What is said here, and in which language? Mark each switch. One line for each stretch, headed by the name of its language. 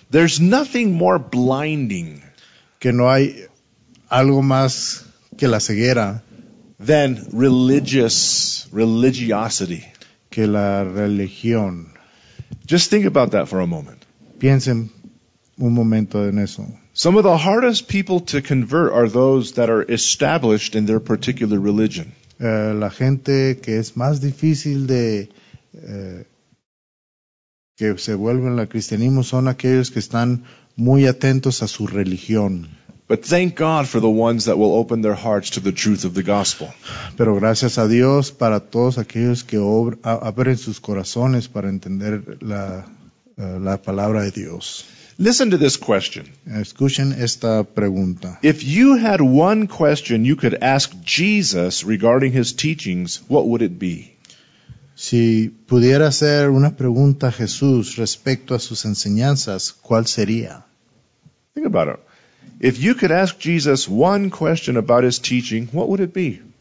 English: There's nothing more blinding.
Spanish: Que no hay algo más que la ceguera.
English: Than religiosity.
Spanish: Que la religión.
English: Just think about that for a moment.
Spanish: Piensen un momento en eso.
English: Some of the hardest people to convert are those that are established in their particular religion.
Spanish: La gente que es más difícil de que se vuelven al cristianismo son aquellos que están muy atentos a su religión.
English: But thank God for the ones that will open their hearts to the truth of the gospel.
Spanish: Pero gracias a Dios para todos aquellos que abren sus corazones para entender la palabra de Dios.
English: Listen to this question.
Spanish: Escuchen esta pregunta.
English: If you had one question you could ask Jesus regarding his teachings, what would it be?
Spanish: Si pudiera hacer una pregunta a Jesús respecto a sus enseñanzas, ¿cuál sería?
English: Think about it. If you could ask Jesus one question about his teaching, what would it be?